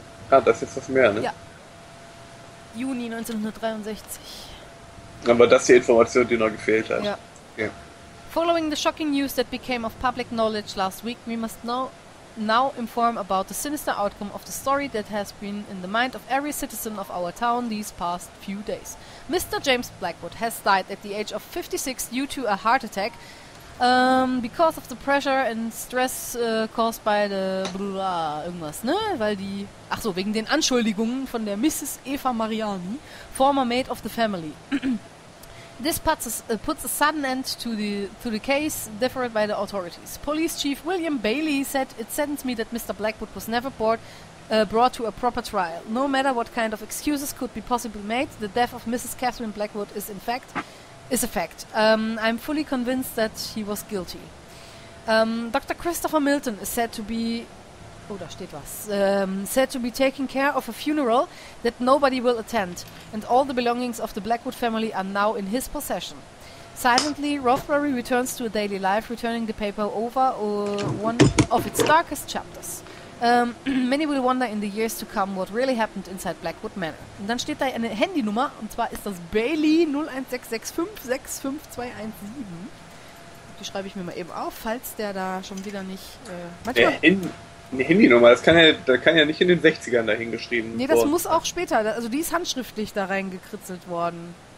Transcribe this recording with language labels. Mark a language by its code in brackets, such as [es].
[de] Ah, das ist jetzt das Meer, ne? Ja. Juni 1963. Aber das ist die Information, die noch gefehlt hat. Ja. Okay. [en] Following the shocking news that became of public knowledge last week, we must now inform about the sinister outcome of the story that has been in the mind of every citizen of our town these past few days. Mr. James Blackwood has died at the age of 56 due to a heart attack because of the pressure and stress caused by the blah, [de] irgendwas, ne? Weil die, ach so, wegen den Anschuldigungen von der Mrs. [en] Eva Mariani, former maid of the family. This puts a sudden end to the case deferred by the authorities. Police Chief William Bailey said, "It saddens me that Mr. Blackwood was never brought to a proper trial. No matter what kind of excuses could be possibly made, the death of Mrs. Catherine Blackwood is a fact. I'm fully convinced that he was guilty. Dr. Christopher Milton is said to be... Oh, [de] da steht was. [en] Said to be taking care of a funeral that nobody will attend, and all the belongings of the Blackwood family are now in his possession. Silently, Rothbury returns to a daily life, returning the paper over one of its darkest chapters. Many will wonder in the years to come what really happened inside Blackwood Manor." [de] Und dann steht da eine Handynummer, und zwar ist das Bailey 01665-65217. Die schreibe ich mir mal eben auf, falls der da schon wieder nicht... Eine Handynummer, das kann ja nicht in den 60ern dahin geschrieben werden. Nee, das muss auch später, also die ist handschriftlich da reingekritzelt worden.